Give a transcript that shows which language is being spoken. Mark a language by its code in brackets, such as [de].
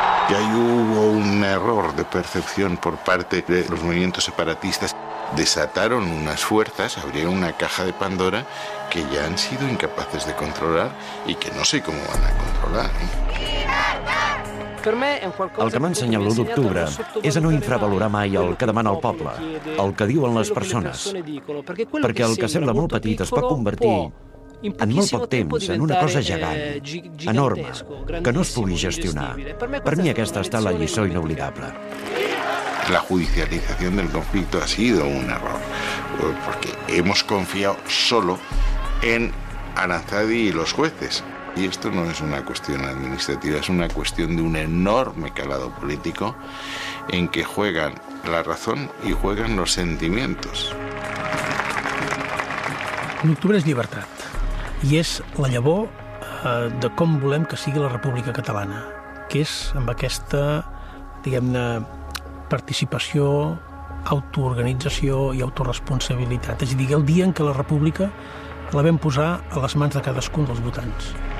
[es] Ya hubo un error de percepción por parte de los movimientos separatistas. Desataron unas fuerzas, abrieron una caja de Pandora que ya han sido incapaces de controlar y que no sé cómo van a controlar. [ca] El que m'ha ensenyat l'1 d'octubre és a no infravalorar mai el que demana el poble, el que diuen les persones. Perquè el que sembla molt petit es pot convertir en molt poc temps en una cosa gegant, enorme, que no es pugui gestionar. Per mi aquesta ha estat la lliçó inoblidable. [es] La judicialización del conflicto ha sido un error, porque hemos confiado solo en Aranzadi y los jueces. Y esto no es una cuestión administrativa, es una cuestión de un enorme calado político en que juegan la razón y juegan los sentimientos. [ca] L'octubre és llibertat i és la llavor de com volem que sigui la República Catalana, que és amb aquesta, diguem-ne, participació, autoorganització i autoresponsabilitat. És a dir, el dia en què la República la vam posar a les mans de cadascun dels votants.